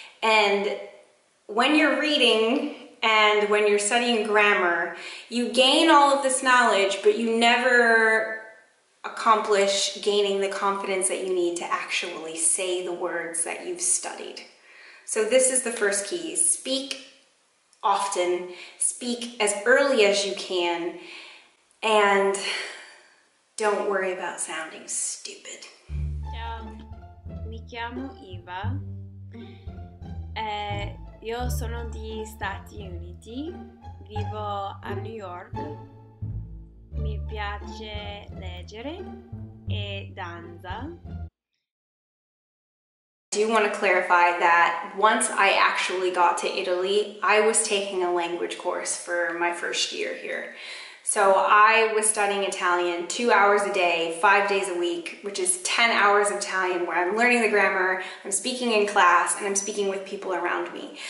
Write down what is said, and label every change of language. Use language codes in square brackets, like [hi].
[en] And when you're reading and when you're studying grammar, you gain all of this knowledge, but you never accomplish gaining the confidence that you need to actually say the words that you've studied. So this is the first key. Speak often, speak as early as you can, and don't worry about sounding stupid. [it] Ciao, mi chiamo Eva. Io sono di Stati Uniti, vivo a New York. Mi piace leggere e danza. [en] I do want to clarify that once I actually got to Italy, I was taking a language course for my first year here. So I was studying Italian 2 hours a day, 5 days a week, which is 10 hours of Italian where I'm learning the grammar, I'm speaking in class, and I'm speaking with people around me.